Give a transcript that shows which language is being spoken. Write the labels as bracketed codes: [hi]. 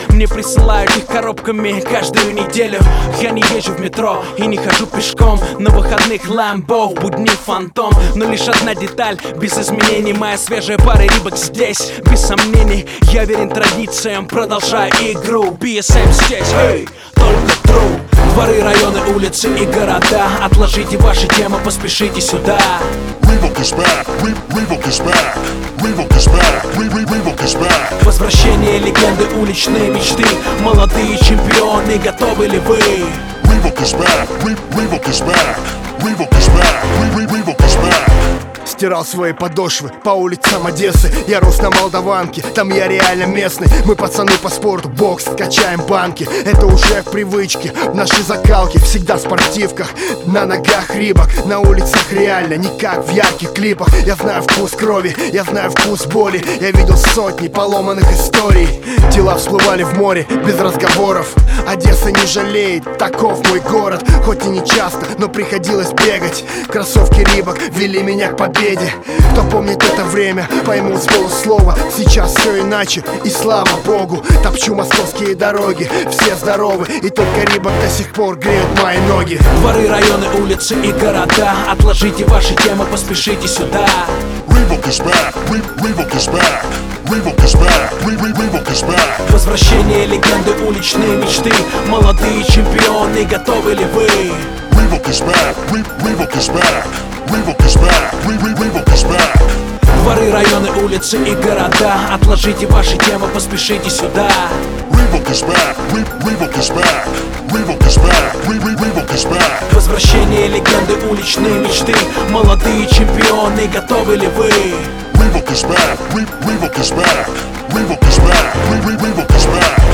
[ru] Мне присылают их коробками каждую неделю. Я не езжу в метро и не хожу пешком. На выходных Lambo, будни фантом. Но лишь одна деталь, без изменений. Моя свежая пара Рибок здесь. Без сомнений, я верен традициям, продолжая игру. BSM здесь, hey, только true. Дворы, районы, улицы и города. Отложите ваши темы, поспешите сюда. [en] Reebok is back, Reebok is back. Reebok is back, Reebok is back. [ru] Возвращение легенды, уличные мечты. Молодые чемпионы, готовы ли вы? [en] Reebok is back, Reebok is back. Reebok is back, Reebok is back. [ru] Стирал свои подошвы по улицам Одессы. Я рос на Молдаванке, там я реально местный. Мы пацаны по спорту, бокс, качаем банки. Это уже в привычке, в нашей закалке. Всегда в спортивках, на ногах Рибок. На улицах реально, не как в ярких клипах. Я знаю вкус крови, я знаю вкус боли. Я видел сотни поломанных историй. Тела всплывали в море, без разговоров. Одесса не жалеет, таков мой город. Хоть и не часто, но приходилось бегать. Кроссовки Рибок вели меня к победе. Кто помнит это время, поймут с полуслова. Сейчас все иначе, и слава богу. Топчу московские дороги, все здоровы. И только Рибок до сих пор греют мои ноги. Дворы, районы, улицы и города. Отложите ваши темы, поспешите сюда. [en] Рибок is back, Рибок is back. Рибок is back, Рибок is back. [ru] Возвращение легенды, уличные мечты. Молодые чемпионы, готовы ли вы? [en] Рибок is back, Рибок is back. Reebok is back, Reebok is back. [ru] Дворы, районы, улицы и города. Отложите ваши темы, поспешите сюда. [en] Reebok is back, Reebok is back. Reebok is back, Reebok is back. [ru] Возвращение легенды, уличные мечты. Молодые чемпионы, готовы ли вы? [en] Reebok is back, Reebok is back. Reebok is back, Reebok is back.